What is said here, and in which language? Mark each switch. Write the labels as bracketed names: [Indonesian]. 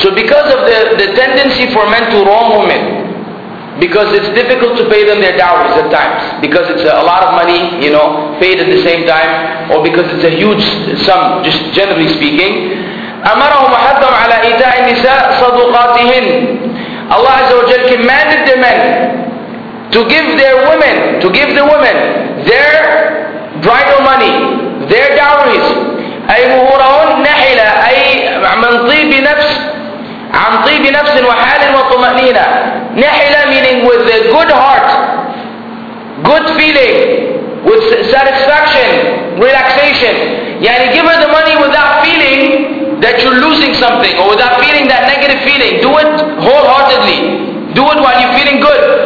[English] So because of the tendency for men to wrong women, because it's difficult to pay them their dowries at times, because it's a lot of money, you know, paid at the same time, or because it's a huge sum, just generally speaking. [Arabic] أَمَرَهُمْ حَذَّمْ عَلَىٰ إِتَاءِ نِسَاءِ صَدُقَاتِهِنْ. [English] Allah Azza wa Jal commanded the men to give their women, to give the women their bridal money, their dowries. [Arabic] أي مهورهن نحلة أي من طيب نفس عن طيب نفس وحال وطمأنينة. [English] نحلة meaning with a good heart, good feeling, with satisfaction, relaxation. يعني give her the money without feeling that you're losing something, or without feeling that negative feeling. Do it wholeheartedly. Do it while you're feeling good.